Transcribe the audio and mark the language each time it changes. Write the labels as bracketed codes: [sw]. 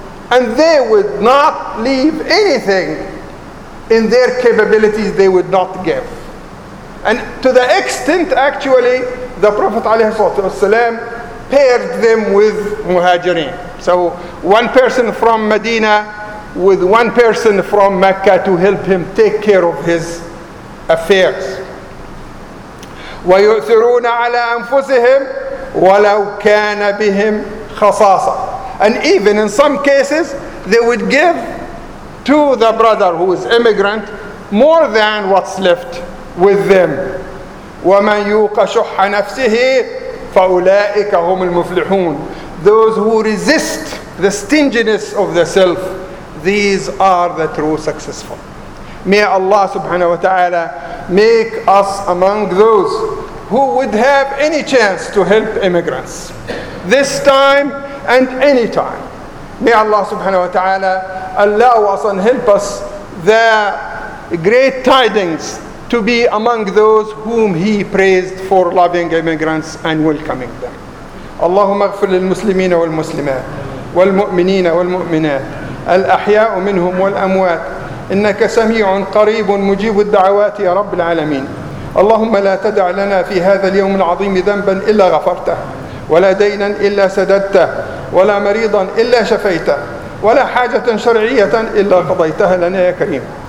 [en] And they would not leave anything in their capabilities they would not give. And to the extent, actually, the Prophet ﷺ paired them with muhajirin. So one person from Medina with one person from Mecca to help him take care of his [ar] affairs ويؤثرون على أنفسهم ولو كان بهم خصاصة. [en] And even in some cases they would give to the brother who is immigrant more than what's left with them. [ar] ومن يوق شح نفسه فأولئك هم المفلحون. [en] Those who resist the stinginess of the self, these are the true successful. May Allah subhanahu wa ta'ala make us among those who would have any chance to help immigrants this time and any time. May Allah subhanahu wa ta'ala allow us and help us the great tidings to be among those whom He praised for loving immigrants and welcoming them. [ar] اللهم اغفر للمسلمين والمسلمات والمؤمنين والمؤمنات الأحياء منهم والأموات إنك سميع قريب مجيب الدعوات يا رب العالمين. اللهم لا تدع لنا في هذا اليوم العظيم ذنبا إلا غفرته ولا دينا إلا سددته ولا مريضا إلا شفيته ولا حاجة شرعية إلا قضيتها لنا يا كريم.